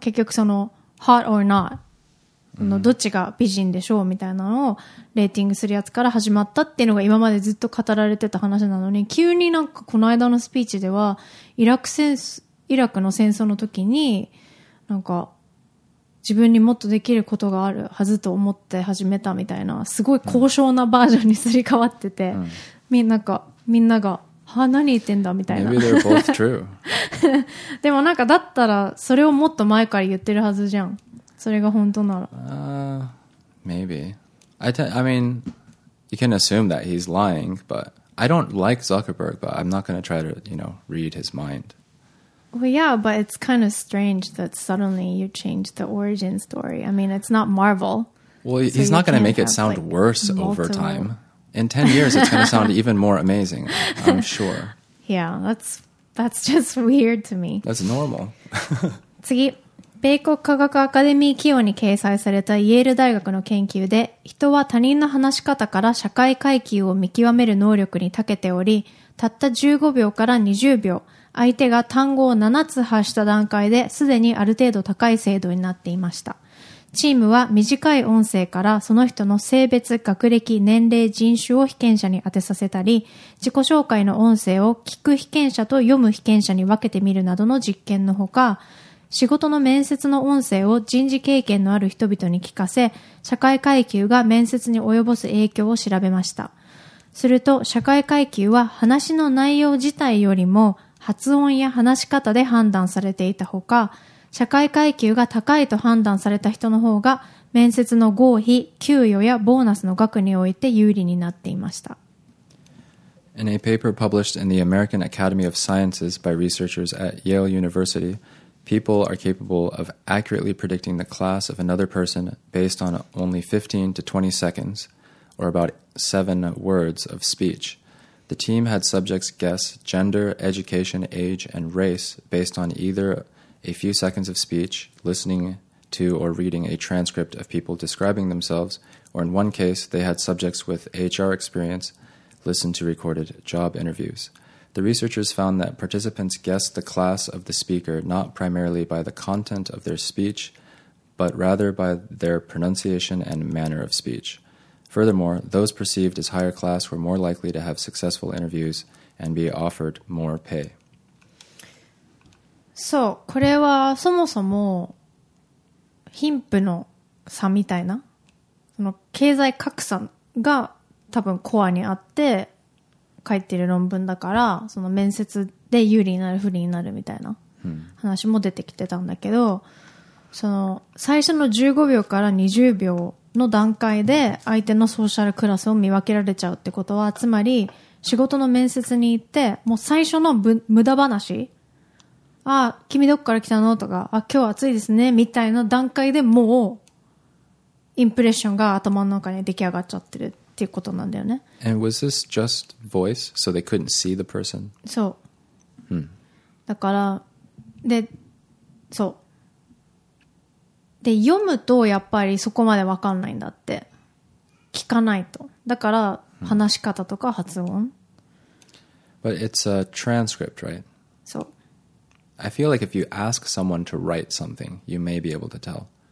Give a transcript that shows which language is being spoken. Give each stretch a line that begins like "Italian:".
Japanese: 結局その、hot or not のどっちが美人でしょうみたいなのをレーティングするやつから始まったっていうのが今までずっと語られてた話なのに、急になんかこの間のスピーチでは、イラクの戦争の時に、なんか、自分にもっとできることがあるはずと思って始めたみたいな、すごい高尚なバージョンにすり替わってて、みんなが、はあ、何言ってんだみたいな。
English: Maybe they're both true.
Japanese: でもなんかだったらそれをもっと前から言ってるはずじゃん。それが本当なら。
English: Maybe. I mean, you can assume that he's lying, but I don't like Zuckerberg, but I'm not going to try to, you know, read his mind. Well, yeah, but it's kind of strange that suddenly you changed the origin story. I mean, it's not Marvel. Well, he's not going to make it sound like, worse multiple... over time. In 10 years, it's going to sound even more amazing, I'm sure. Yeah, that's just weird to me. That's normal.
Japanese: 次、米国科学アカデミー企業に掲載されたイェール大学の研究で、人は他人の話し方から社会階級を見極める能力に長けており、たった15秒から20秒、相手が単語を7つ発した段階ですでにある程度高い精度になっていました。チームは短い音声からその人の性別、学歴、年齢、人種を被験者に当てさせたり、自己紹介の音声を聞く被験者と読む被験者に分けてみるなどの実験のほか、仕事の面接の音声を人事経験のある人々に聞かせ、社会階級が面接に及ぼす影響を調べました。すると、社会階級は話の内容自体よりも発音や話し方で判断されていたほか、社会階級が高いと判断された人の方が面接の合否、給与やボーナスの額において有利になっていました。
English: In a paper published in the American Academy of Sciences by researchers at Yale University, people are capable of accurately predicting the class of another person based on only 15 to 20 seconds, or about 7 words of speech. The team had subjects guess gender, education, age, and race based on either a few seconds of speech, listening to or reading a transcript of people describing themselves, or in one case, they had subjects with HR experience listen to recorded job interviews. The researchers found that participants guessed the class of the speaker not primarily by the content of their speech, but rather by their pronunciation and manner of speech. Furthermore, those perceived as higher class were more likely to have successful interviews and be offered more pay.
Japanese: そう、これはそもそも貧富の差みたいな、その経済格差が多分コアにあって書いてる論文だから、その面接で有利になる不利になるみたいな話も出てきてたんだけど、その最初の15秒から20秒の段階で相手のソーシャルクラスを見分けられちゃうってことは、つまり仕事の面接に行ってもう最初の無駄話、あ、君どこから来たのとか、あ、今日暑いですねみたいな段階でもうインプレッションが頭の中に出来上がっちゃってるっていうことなんだよね。
English: And was this just voice? So they couldn't see the person?
Japanese: そう、 hmm. だからで、そうで、読むとやっぱりそこまで分かんないんだって、聞かないと。だから話し方とか発音、
English: But it's a transcript, right?
Japanese: そう、
English: I feel like if you ask someone to write something, you may be able to tell.